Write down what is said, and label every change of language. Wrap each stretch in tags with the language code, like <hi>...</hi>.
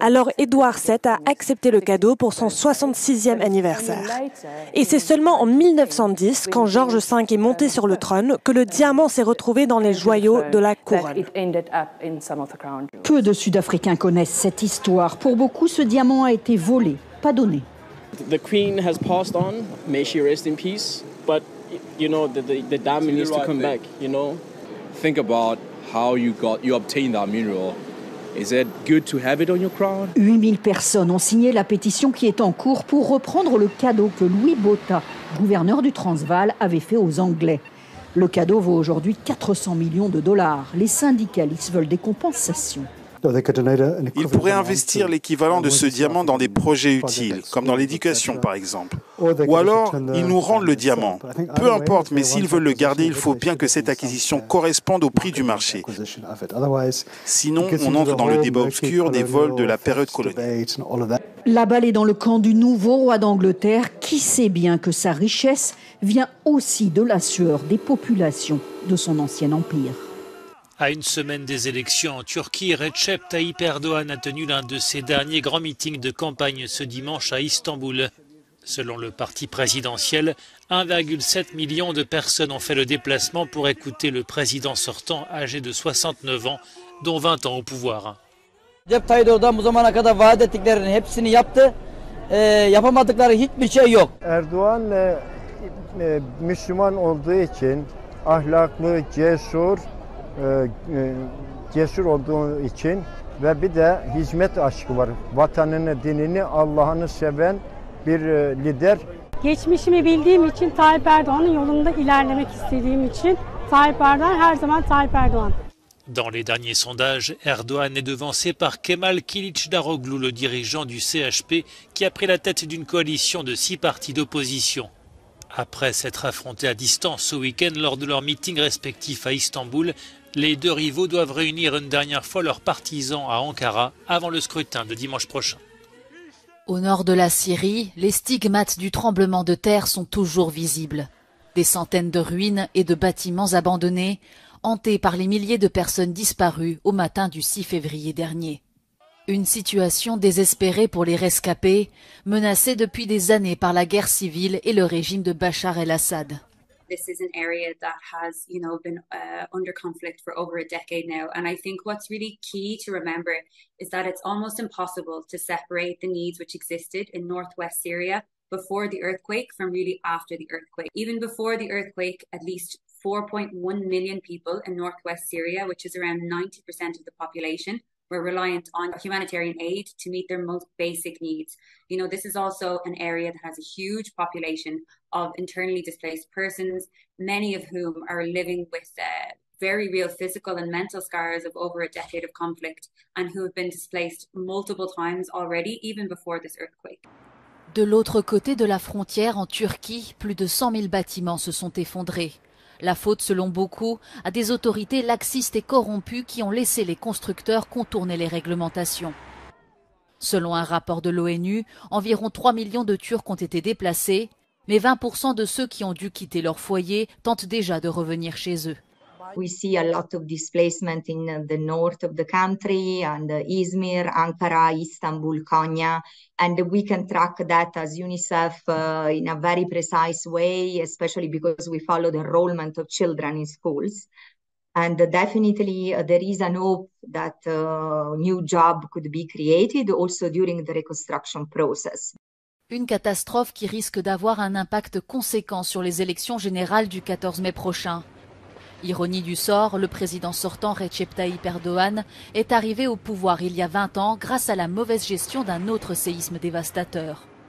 <fr>Alors Édouard VII a accepté le cadeau pour son 66e anniversaire. Et c'est seulement en 1910, quand George V est monté sur le trône, que le diamant s'est retrouvé dans les joyaux de la couronne. Peu de Sud-Africains connaissent cette histoire. Pour beaucoup, ce diamant a été volé, pas donné.</fr> <en>The queen has passed on, may she rest in peace, but you know the diamond needs to come back, you know. Think about how you obtained that mineral. Is it good to have it on your crown?</en> <fr>8000 personnes ont signé la pétition qui est en cours pour reprendre le cadeau que Louis Botha, gouverneur du Transvaal, avait fait aux Anglais. Le cadeau vaut aujourd'hui 400 millions de dollars. Les syndicalistes veulent des compensations. Ils pourraient investir l'équivalent de ce diamant dans des projets utiles, comme dans l'éducation par exemple. Ou alors, ils nous rendent le diamant. Peu importe, mais s'ils veulent le garder, il faut bien que cette acquisition corresponde au prix du marché. Sinon, on entre dans le débat obscur des vols de la période coloniale. La balle est dans le camp du nouveau roi d'Angleterre, qui sait bien que sa richesse vient aussi de la sueur des populations de son ancien empire. À une semaine des élections en Turquie, Recep Tayyip Erdogan a tenu l'un de ses derniers grands meetings de campagne ce dimanche à Istanbul. Selon le parti présidentiel, 1,7 million de personnes ont fait le déplacement pour écouter le président sortant, âgé de 69 ans, dont 20 ans au pouvoir.</fr> <tr>Recep Tayyip Erdogan, bu zamana kadar vaat ettiklerini hepsini yaptı. Yapamadıkları hiçbir şey yok. Erdoğan Müslüman olduğu için ahlaklı, cesur. Cesur olduğu için ve bir de hizmet aşkı var. Vatanını, dinini, Allah'ını seven bir lider. Geçmişimi bildiğim için Tayyip Erdoğan'ın yolunda ilerlemek istediğim için Tayyip Erdoğan her zaman Tayyip Erdoğan.</tr> <fr>Dans les derniers sondages, Erdoğan est devancé par Kemal Kılıçdaroğlu, le dirigeant du CHP, qui a pris la tête d'une coalition de 6 partis d'opposition. Après s'être affrontés à distance ce week-end lors de leur meeting respectif à Istanbul, les deux rivaux doivent réunir une dernière fois leurs partisans à Ankara avant le scrutin de dimanche prochain. Au nord de la Syrie, les stigmates du tremblement de terre sont toujours visibles. Des centaines de ruines et de bâtiments abandonnés, hantés par les milliers de personnes disparues au matin du 6 février dernier. Une situation désespérée pour les rescapés, menacée depuis des années par la guerre civile et le régime de Bachar el-Assad.</fr> <en>This is an area that has, you know, been under conflict for over a decade now, and I think what's really key to remember is that it's almost impossible to separate the needs which existed in northwest Syria before the earthquake from really after the earthquake. Even before the earthquake, at least 4.1 million people in northwest Syria, which is around 90% of the population, were reliant on humanitarian aid to meet their most basic needs. You know, this is also an area that has a huge population of internally displaced persons, many of whom are living with very real physical and mental scars of over a decade of conflict and who have been displaced multiple times already, even before this earthquake.</en> <fr>De l'autre côté de la frontière, en Turquie, plus de 100 000 bâtiments se sont effondrés. La faute, selon beaucoup, à des autorités laxistes et corrompues qui ont laissé les constructeurs contourner les réglementations. Selon un rapport de l'ONU, environ 3 millions de Turcs ont été déplacés, mais 20% de ceux qui ont dû quitter leur foyer tentent déjà de revenir chez eux.</fr> <en>We see a lot of displacement in the north of the country and Izmir, Ankara, Istanbul, Konya, and we can track that as UNICEF in a very precise way, especially because we follow the enrollment of children in schools. And definitely there is an hope that a new job could be created also during the reconstruction process.</en> <fr>Une catastrophe qui risque d'avoir un impact conséquent sur les élections générales du 14 mai prochain. Ironie du sort, le président sortant Recep Tayyip Erdogan est arrivé au pouvoir il y a 20 ans grâce à la mauvaise gestion d'un autre séisme dévastateur.</fr>